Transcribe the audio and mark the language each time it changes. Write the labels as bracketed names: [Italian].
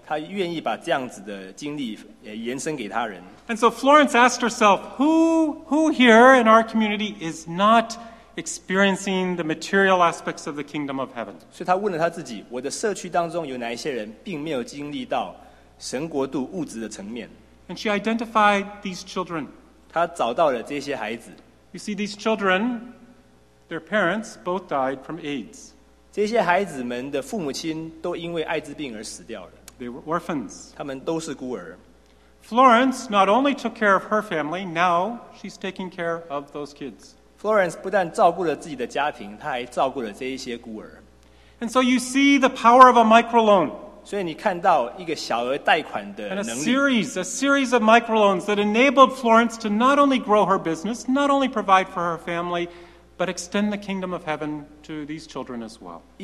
[Chinese] 在Florence越来越富裕之后呢，她经历到了更多神国度物质上的丰富之后呢，她愿意把这样子的经历延伸给他人。 [English] And so Florence asked herself, who here in our community is not experiencing the material aspects of the kingdom of heaven? [Chinese] 所以她问了她自己，我的社区当中有哪一些人并没有经历到神国度物质的层面？ [English] And she identified these children. [Chinese] 她找到了这些孩子。 [English] You see, these children, their parents both died from AIDS. [Chinese] 这些孩子们的父母亲都因为艾滋病而死掉了。 [English] They were orphans. [Chinese] 他们都是孤儿。 [English] Florence not only took care of her family, now she's taking care of those kids. [Chinese] Florence不但照顾了自己的家庭，她还照顾了这一些孤儿。 [English] And so you see the power of a microloan. [Chinese] 所以你看到一个小额贷款的能力。 [English] And a series of microloans that enabled Florence to not only grow her business, not only provide for her family, but extend the kingdom of heaven to these children as well.